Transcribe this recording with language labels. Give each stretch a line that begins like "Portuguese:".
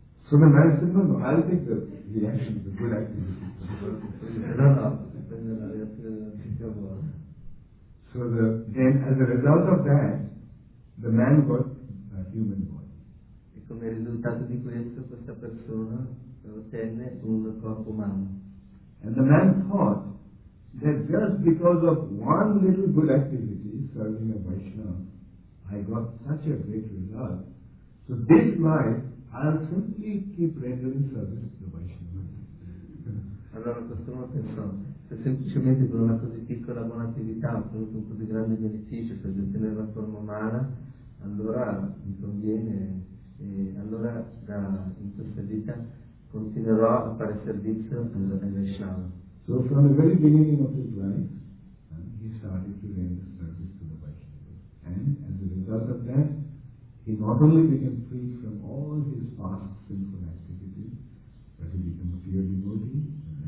English: So the man said, no, I'll take the reaction of the good activity.
Italian: No, prende la reazione della mia buona.
English: So then, as a result of that, the man got a human body.
Italian: E come risultato di questo, questa persona ottenne un corpo umano.
English: And the man thought that just because of one little good activity, serving a Vaishnava, I got such a great result. So this life, I'll simply keep rendering service to the Vaishnava.
Italian: Allora questo uomo pensò, se semplicemente con una così piccola buona attività ho avuto un così grande beneficio per ottenere la forma umana, allora mi conviene, e allora da in questa vita continuerò a fare servizio al Vaishnava.
English: So from the very beginning of his life, he started to render service to the Vaishnava. And as a result of that, he not only became free from all his past sinful activities, but he became a pure devotee.